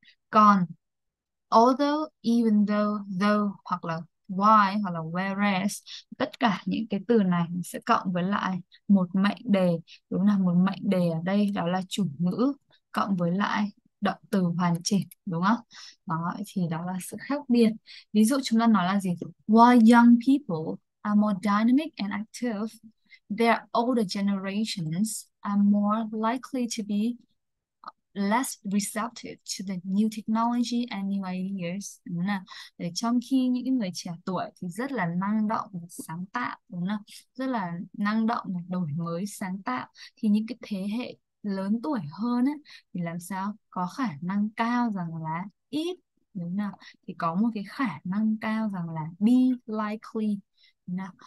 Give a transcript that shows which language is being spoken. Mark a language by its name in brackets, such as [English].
[Vietnamese] Còn although, even though hoặc là why hoặc là whereas, tất cả những cái từ này sẽ cộng với lại một mệnh đề, đúng là một mệnh đề ở đây đó là chủ ngữ cộng với lại động từ hoàn chỉnh, đúng không? Đó thì đó là sự khác biệt. Ví dụ chúng ta nói là gì? [English] While young people are more dynamic and active, their older generations are more likely to be less receptive to the new technology and new ideas, [Vietnamese] đúng không nào? Để trong khi những người trẻ tuổi thì rất là năng động và sáng tạo, đúng không? Rất là năng động và đổi mới sáng tạo, thì những cái thế hệ lớn tuổi hơn ấy, thì làm sao có khả năng cao rằng là ít, đúng nào? Thì có một cái khả năng cao rằng là be likely, đúng nào?